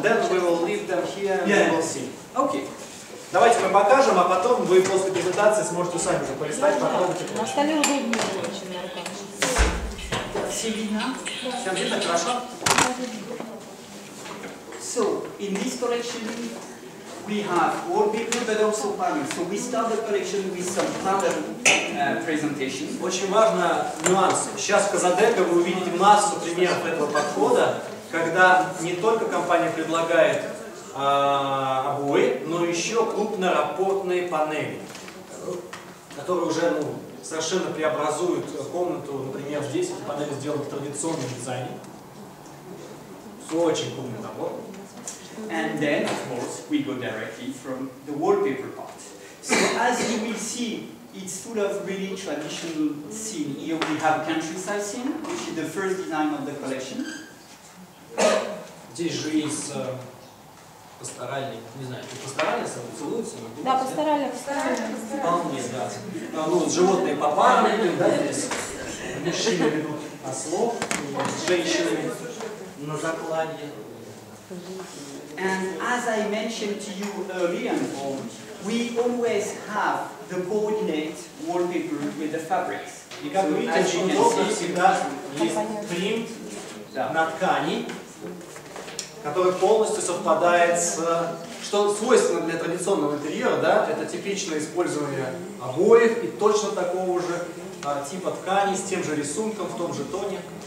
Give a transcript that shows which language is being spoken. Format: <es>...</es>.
<en>then we will leave them here and we will see. Okay.</en> <ru>Давайте мы покажем, а потом вы после презентации сможете сами уже полистать, попробуйте. На столе удобнее очень. Все видно? Всем видно, хорошо?</ru> <en>So in this collection, we have all people, but also panels. So we start the collection with some panel presentation.</en> <ru>Очень важно нюанс. Сейчас в Казадеко вы увидите массу примеров этого подхода, когда не только компания предлагает обои, но еще крупнорапортные панели, которые уже ну, совершенно преобразуют комнату. Например, здесь эти панели сделаны в традиционном дизайне. Очень крупный набор.</ru> <en>And then, of course, we go directly from the wallpaper part. So as you will see, it's full of really traditional scene. Here we have a countryside scene, which is the first design of the collection.</en> <ru>Здесь же из пасторальной, не знаю, это пасторальная сама целуется? Да, пасторальная. Вполне, да. А, ну, животные по парам, да, здесь. Мужчины ведут ослов, с женщинами на закладе.</ru> <en>And as I mentioned to you earlier on, we always have the coordinate wallpaper with the fabrics.</en> <ru>И как вы видите, очень удобно, всегда есть принт на ткани, который полностью совпадает с... Что свойственно для традиционного интерьера, да, это типичное использование обоев и точно такого же типа ткани, с тем же рисунком, в том же тоне.</ru>